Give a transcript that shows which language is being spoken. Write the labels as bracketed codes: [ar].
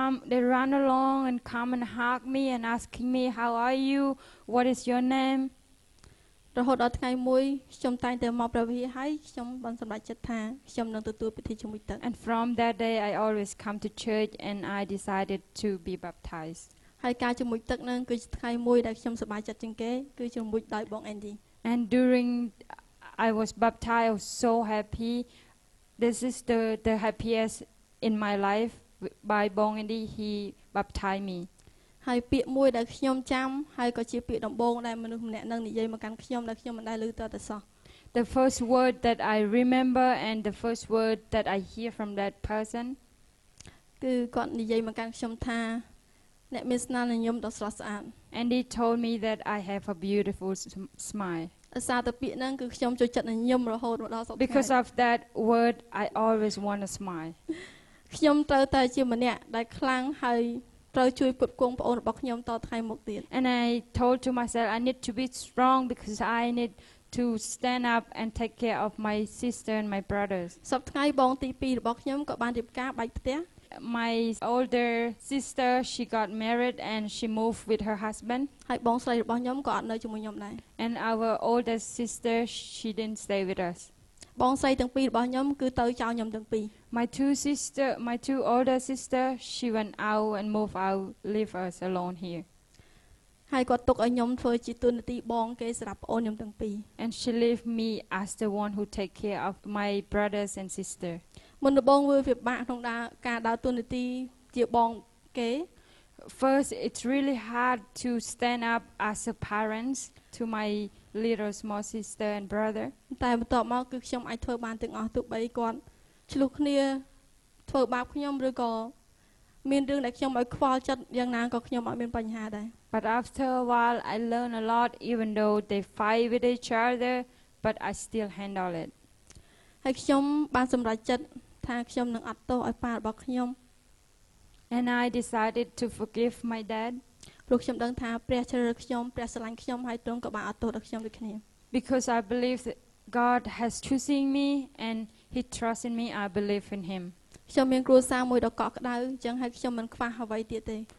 [en] They run along and come and hug me and asking me, how are you? What is your name? [km] រហូតដល់ថ្ងៃមួយខ្ញុំតែងតែមកប្រវីហើយខ្ញុំបានសម្រេចចិត្តថាខ្ញុំនឹងទទួលពិធីជាមួយទឹក [en] And from that day, I always come to church and I decided to be baptized. [km] ហើយការជាមួយទឹកនឹងគឺថ្ងៃមួយដែលខ្ញុំសប្បាយចិត្តជាងគេគឺជាមួយដោយបង Andy. [en] And during I was baptized, I was so happy. This is the happiest in my life. By Bong Andy he baptized me [km] ហើយពាក្យមួយដែលខ្ញុំចាំហើយក៏ជាពាក្យដំបូងដែលមនុស្សម្នាក់នឹងនិយាយមកកាន់ខ្ញុំដែលខ្ញុំមិនដែលឮតើតោះ [en] The first word that I remember and the first word that I hear from that person [km] គឺគាត់និយាយមកកាន់ខ្ញុំថា អ្នកមានស្នាមញញឹមដ៏ស្រស់ស្អាត [en] And he told me that I have a beautiful smile. [km] សារទៅពាក្យហ្នឹងគឺខ្ញុំចូលចិត្តញញឹមរហូតមកដល់សុខ [en] Because of that word I always want to smile [km] ខ្ញុំត្រូវតែជាម្នាក់ដែលខ្លាំងហើយត្រូវជួយពុតគង់ប្អូនរបស់ខ្ញុំតថ្ងៃមុខទៀត [en] And I told to myself I need to be strong because I need to stand up and take care of my sister and my brothers [km] សប្តាហ៍ថ្ងៃបងទី2របស់ខ្ញុំក៏បានរៀបការបែកផ្ទះ [en] My older sister she got married and she moved with her husband [km] ហើយបងស្រីរបស់ខ្ញុំក៏អត់នៅជាមួយខ្ញុំដែរ [en] And our older sister she didn't stay with us [km] បងស្រីទាំងពីររបស់ខ្ញុំគឺទៅចោលខ្ញុំទាំងពីរ [en] My two older sister she went out and moved out leave us alone here [km] ហើយគាត់ទុកឲ្យខ្ញុំធ្វើជាទូនាទីបងគេសម្រាប់ប្អូនខ្ញុំទាំងពីរ [en] And she leave me as the one who take care of my brothers and sister [km] មុនដំបូងវាពិបាកក្នុងការដើរតួនាទីជាបងគេ [en] First it's really hard to stand up as a parents to my little small sister and brother [km] តែបន្ទាប់មកគឺខ្ញុំអាចធ្វើបានទាំងអស់ទោះបីគាត់ឆ្លុះគ្នាធ្វើបាបខ្ញុំឬក៏មានរឿងដែលខ្ញុំឲ្យខ្វល់ចិត្តយ៉ាងណាក៏ខ្ញុំអត់មានបញ្ហាដែរ [en] But after a while I learn a lot even though they fight with each other but I still handle it [km] ហើយខ្ញុំបានសម្រេចចិត្តថាខ្ញុំនឹងអត់ទោសឲ្យប៉ារបស់ខ្ញុំ [en] And I decided to forgive my dad [km] ព្រោះខ្ញុំដឹងថាព្រះជ្រើសរើសខ្ញុំព្រះស្រឡាញ់ខ្ញុំហើយទ្រង់ក៏បានអត់ទោសដល់ខ្ញុំដូចគ្នា [en] Because I believe that God has choosing me and he trusts in me I believe in him [km] ខ្ញុំមានគ្រួសារមួយដ៏កក់ក្ដៅអញ្ចឹងហើយខ្ញុំមិនខ្វះអ្វីទៀតទេ